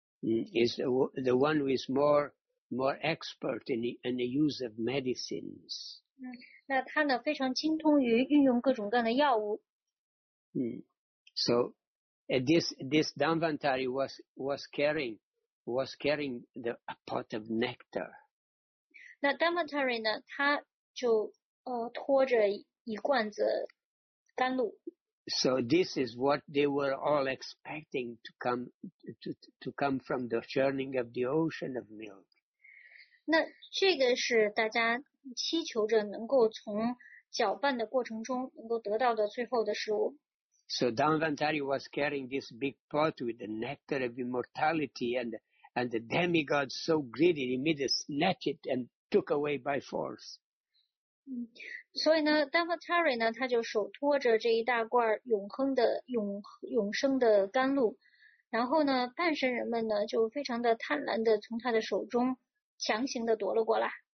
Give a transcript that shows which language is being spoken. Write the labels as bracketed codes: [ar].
[en] Is the one who is more expert in the use of medicines. [zh] 那他呢非常精通于运用各种各样的药物。 [en] So this Dhanvantari was carrying a pot of nectar. [zh] 那 Dhanvantari 呢他就拖着一罐子甘露。 [en] So this is what they were all expecting to come from the churning of the ocean of milk. [zh] 那这个是大家祈求着能够从搅拌的过程中能够得到的最后的食物。 [en] So Dhanvantari was carrying this big pot with the nectar of immortality and the demigod so greedy immediately snatched it and took away by force. [zh] 所以呢 Dhanvantari 呢他就手托着这一大罐永生的甘露，然后呢半神人们呢就非常的贪婪的从他的手中强行的夺了过来。